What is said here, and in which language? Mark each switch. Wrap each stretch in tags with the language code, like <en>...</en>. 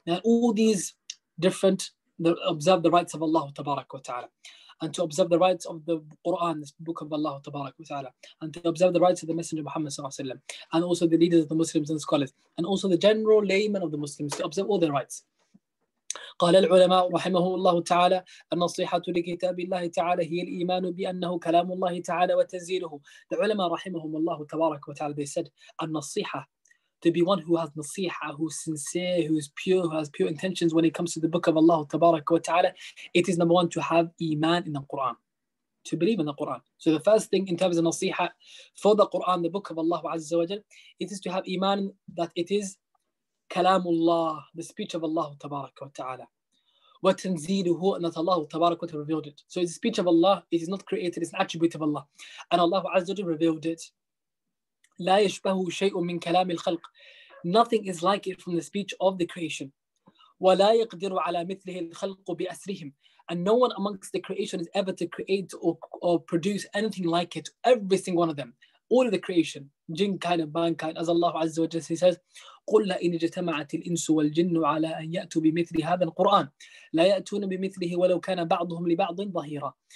<en>Now all these different, observe the rights of Allah tabarak wa ta'ala, and to observe the rights of the Quran, this book of Allah tabarak wa ta'ala, and to observe the rights of the Messenger Muhammad sallallahu alaihi wasallam, and also the leaders of the Muslims and scholars, and also the general layman of the Muslims, to observe all their rights.</en> <ar>قال العلماء رحمه الله تعالى النصيحة لكتاب الله تعالى هي الإيمان بأنه كلام الله تعالى وتنزيله.</ar> <en>The ulama rahimahum Allah tabarak wa ta'ala, they said النصيحة, to be one who has nasiha, who is sincere, who is pure, who has pure intentions when it comes to the book of Allah tabaraka wa ta'ala, it is number one to have iman in the Quran, to believe in the Quran. So the first thing in terms of nasiha for the Quran, the book of Allah azza wa jal, it is to have iman that it is kalamullah, the speech of Allah tabaraka wa ta'ala, wa tanziluhu, and that Allah tabaraka wa ta'ala revealed it. So it's a speech of Allah, it is not created, it's an attribute of Allah, and Allah azza wa jal revealed it.</en> <ar>لا يشبه شيء من كلام الخلق.</ar> <en>Nothing is like it from the speech of the creation.</en> <ar>ولا يقدر على مثله الخلق بأسرهم.</ar> <en>And no one amongst the creation is ever to create or produce anything like it. Every single one of them, all of the creation, jinn kind of mankind, as Allah Azza wa Jalla says,</en> <ar>قل إن اجتمعت الإنس والجن على أن يأتوا بمثل هذا القرآن لا يأتون بمثله ولو كان بعضهم لبعض ظهيرا.</ar>